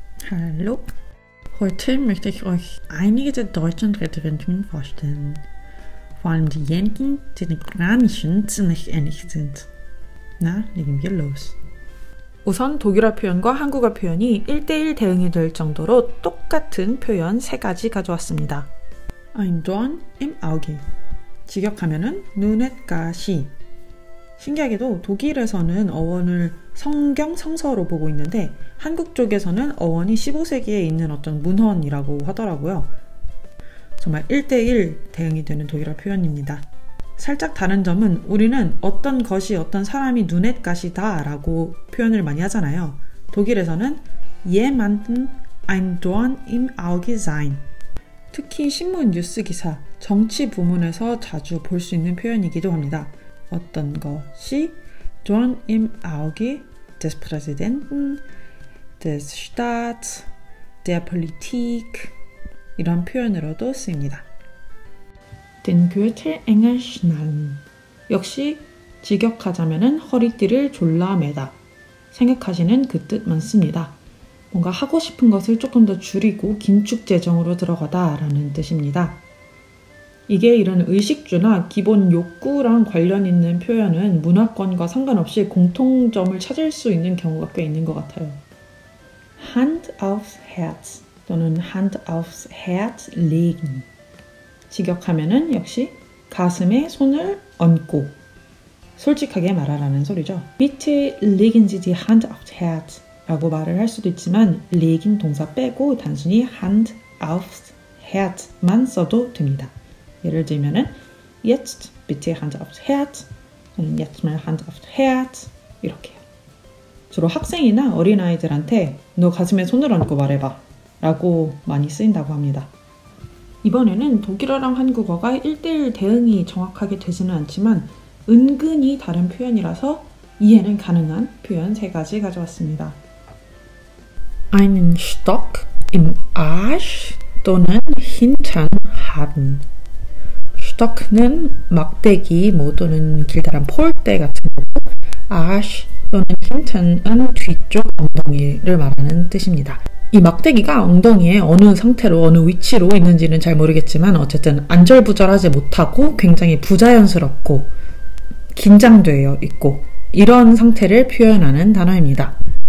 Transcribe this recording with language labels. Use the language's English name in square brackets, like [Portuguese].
[German] Hallo, heute möchte ich euch einige der deutschen Rhetorinnen vorstellen. Vor allem diejenigen, die den Kranischen ziemlich ähnlich sind. Na, legen wir los. [Korean] 우선 독일어 표현과 한국어 표현이 1대1 대응이 될 정도로 똑같은 표현 세 가지 가져왔습니다. [German] Ein Dorn im Auge. [Korean] 직역하면은 눈의 가시. 신기하게도 독일에서는 어원을 성경 성서로 보고 있는데 한국 쪽에서는 어원이 15세기에 있는 어떤 문헌이라고 하더라고요. 정말 1대1 대응이 되는 독일어 표현입니다. 살짝 다른 점은 우리는 어떤 것이 어떤 사람이 눈의 가시다 라고 표현을 많이 하잖아요. 독일에서는 [German] jemanden ein Dorn im Auge sein. [Korean] 특히 신문 뉴스 기사, 정치 부문에서 자주 볼 수 있는 표현이기도 합니다. 어떤 것이 [German] Dorn im Auge des Präsidenten, des Staats, der Politik [Korean] 이런 표현으로도 쓰입니다. [German] Den Gürtel enge schnallen. [Korean] 역시 직역하자면은 허리띠를 졸라 매다. 생각하시는 그 뜻 많습니다. 뭔가 하고 싶은 것을 조금 더 줄이고 긴축 재정으로 들어가다 라는 뜻입니다. 이게 이런 의식주나 기본 욕구랑 관련 있는 표현은 문화권과 상관없이 공통점을 찾을 수 있는 경우가 꽤 있는 것 같아요. [German] Hand aufs Herz 또는 Hand aufs Herz legen. [Korean] 직역하면은 역시 가슴에 손을 얹고 솔직하게 말하라는 소리죠. [German] Bitte legen Sie die Hand aufs Herz [Korean] 라고 말을 할 수도 있지만 legen 동사 빼고 단순히 [German] Hand aufs Herz [Korean] 만 써도 됩니다. 예를 들면은 [German] Jetzt bitte Hand aufs Herz 또는 Jetzt mal Hand aufs Herz [Korean] 이렇게요. 주로 학생이나 어린아이들한테 너 가슴에 손을 얹고 말해봐 라고 많이 쓰인다고 합니다. 이번에는 독일어랑 한국어가 1대1 대응이 정확하게 되지는 않지만 은근히 다른 표현이라서 이해는 가능한 표현 세 가지 가져왔습니다. [German] Einen Stock im Arsch 또는 Hintern haben. [Korean] Stock는 막대기 뭐 또는 길다란 폴대 같은 거고 Arsch 또는 Hintern은 뒤쪽 엉덩이를 말하는 뜻입니다. 이 막대기가 엉덩이에 어느 상태로 어느 위치로 있는지는 잘 모르겠지만 어쨌든 안절부절하지 못하고 굉장히 부자연스럽고 긴장되어 있고 이런 상태를 표현하는 단어입니다.